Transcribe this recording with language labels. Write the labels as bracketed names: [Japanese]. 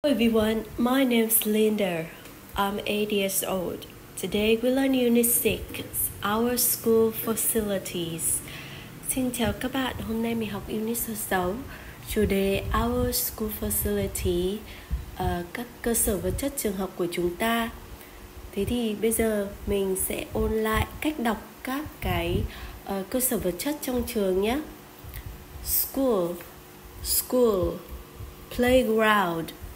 [English] Hello everyone, my name is Linda. I'm 8 years old. Today we learn Unit 6, Our School Facilities. [Vietnamese] Xin chào các bạn, hôm nay mình học Unit 6, chủ đề Our School Facility, các cơ sở vật chất trường học của chúng ta. Thế thì bây giờ mình sẽ ôn lại cách đọc các cái cơ sở vật chất trong trường nhé. [English] School, school, playground.